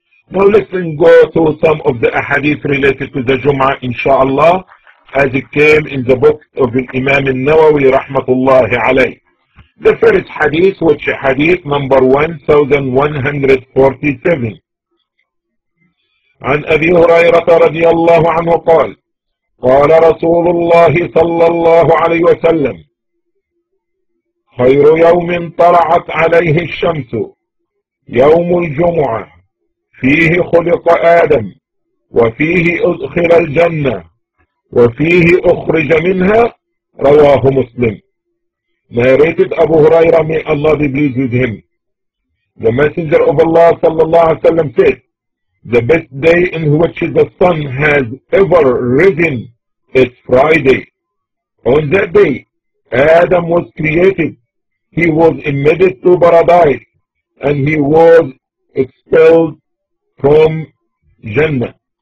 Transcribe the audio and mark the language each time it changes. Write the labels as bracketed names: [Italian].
[English] Now let's go to some of the ahadith related to the Jum'ah, inshallah, as it came in the book of Imam al-Nawawi, rahmatullah alayhi. The first hadith, which is hadith number 1147. [Arabic] عن أبي هريرة رضي الله عنه قال قال رسول الله صلى الله عليه وسلم خير يوم طلعت عليه الشمس يوم الجمعة فيه خلق آدم وفيه أدخل الجنة وفيه أخرج منها رواه مسلم. [English] Narrated أبو هريرة, may Allah be pleased with him. The Messenger of Allah [Arabic] صلى الله عليه وسلم [English] said, the best day in which the sun has ever risen is Friday. On that day, Adam was created. He was admitted to paradise and he was expelled from Jannah.